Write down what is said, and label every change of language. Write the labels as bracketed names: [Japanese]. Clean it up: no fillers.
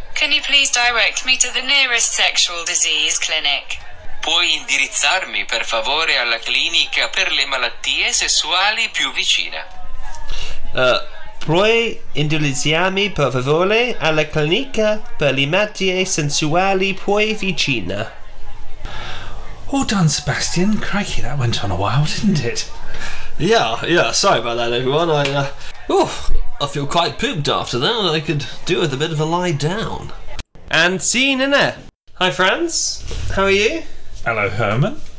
[English] Can you please direct me to the nearest sexual disease clinic? [Italian] Puoi indirizzarmi, per favore, alla clinica per le malattie sessuali più vicina. Puoi indirizzarmi, per favore, alla clinica per le malattie sensuali più vicina. [English] All done, Sebastian. Crikey, that went on a while, didn't it? Yeah. Sorry about that, everyone. I feel quite pooped after that. I could do with a bit of a lie down. And scene in there. Hi, friends. How are you? Hello, Herman.